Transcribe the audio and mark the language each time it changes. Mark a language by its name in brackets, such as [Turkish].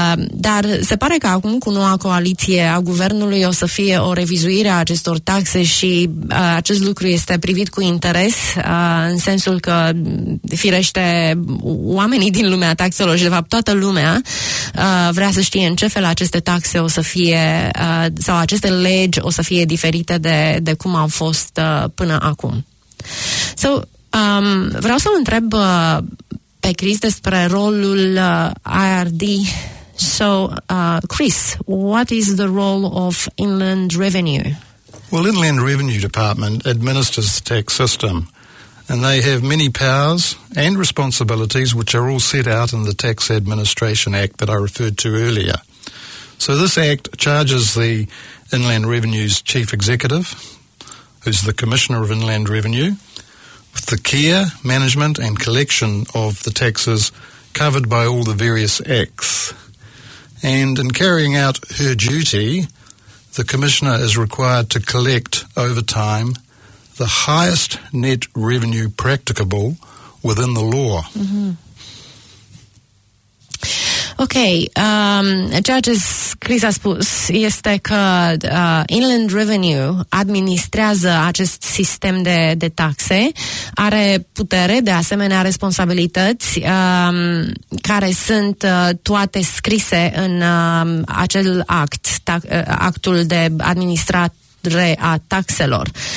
[Romanian] Dar se pare că acum cu noua coaliție a guvernului o să fie o revizuire a acestor taxe și acest lucru este privit cu interes, în sensul că firește oamenii din lumea taxelor și de fapt toată lumea vrea să știe în ce fel aceste taxe o să fie sau aceste legi o să fie diferite de cum au fost până acum. So, vreau să-l întreb pe Chris despre rolul IRD. [English] So, Chris, what is the role of Inland Revenue? Well, Inland Revenue Department administers the tax system. and they have many powers and responsibilities which are all set out in the Tax Administration Act that I referred to earlier. So this Act charges the Inland Revenue's Chief Executive, who's the Commissioner of Inland Revenue, with the care, management and collection of the taxes covered by all the various Acts. And in carrying out her duty, the Commissioner is required to collect over time the highest net revenue practicable within the law. Mm-hmm. [Romanian] Okay, judges, Chris a spus, este că Inland Revenue administrează acest sistem de taxe, are putere, de asemenea responsabilități care sunt toate scrise în acel act, actul de administrare a taxelor.